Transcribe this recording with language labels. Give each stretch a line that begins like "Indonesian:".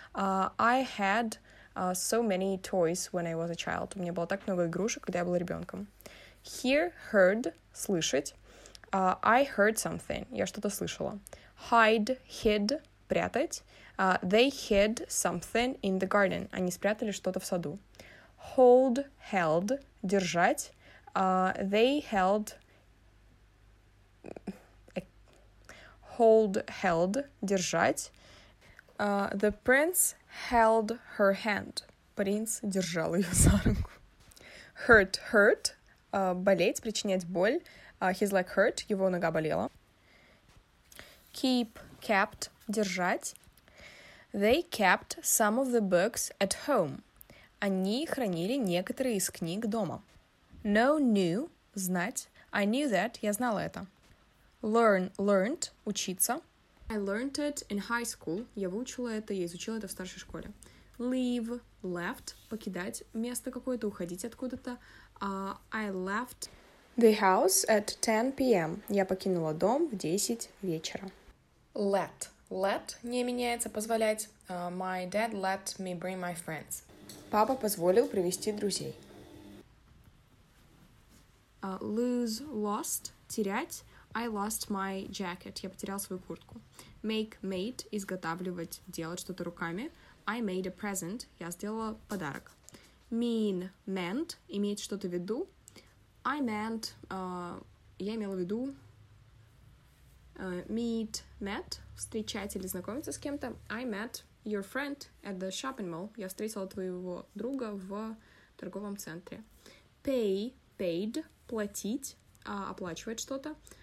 English: I had so many toys when I was a child.
Russian: У меня было так много игрушек, когда я была ребенком.
English: Hear – heard.
Russian: Слышать.
English: I heard something.
Russian: Я что-то слышала.
English: Hide – hid.
Russian: Прятать.
English: They hid something in the garden. Они спрятали что-то в саду. Hold – held.
Russian: Держать.
English: They held... Hold – held.
Russian: Держать.
English: The prince held her hand.
Russian: Принц держал ее за руку.
English: Hurt – hurt.
Russian: Болеть, причинять боль.
English: He's like hurt.
Russian: Его нога болела.
English: Keep – kept.
Russian: Держать.
English: They kept some of the books at home.
Russian: Они хранили некоторые из книг дома.
English: Know – knew –
Russian: знать.
English: I knew that –
Russian: я знала это.
English: Learn – learned –
Russian: учиться.
English: I learned it in high school.
Russian: Я выучила это, я изучила это в старшей школе.
English: Leave – left
Russian: – покидать место какое-то, уходить откуда-то.
English: I left the house at 10 p.m.
Russian: Я покинула дом в 10 вечера.
English: Let – let
Russian: не меняется, позволять.
English: My dad let me bring my friends.
Russian: Папа позволил привести друзей.
English: Lose – lost –
Russian: терять.
English: I lost my jacket.
Russian: Я потерял свою куртку.
English: Make – made
Russian: – изготавливать, делать что-то руками.
English: I made a present.
Russian: Я сделала подарок.
English: Mean – meant
Russian: – иметь что-то в виду.
English: I meant
Russian: – я имела в виду.
English: Meet – met
Russian: – встречать или знакомиться с кем-то.
English: I met your friend at the shopping mall.
Russian: Я встретила твоего друга в торговом центре.
English: Pay – paid
Russian: – платить, оплачивать что-то.